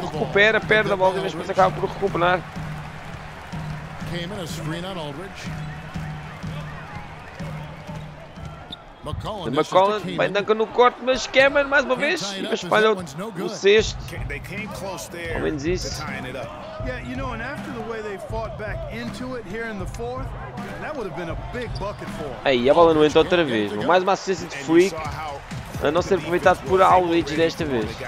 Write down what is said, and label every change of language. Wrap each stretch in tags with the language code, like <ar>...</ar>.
<pt>Recupera, perde a bola, mas depois acaba por recuperar. De McCollum. Vai Duncan no corte, mas Cameron mais uma vez. E espalha o sexto. Ao menos isso.</pt> <en>Yeah, you know, and after the way they fought back into it here in the fourth, that would have been a big bucket for them.</en> <pt>Aí, a bola não entra outra vez. Mais uma assistência de Freak, a não ser aproveitado por Aldridge desta vez.</pt>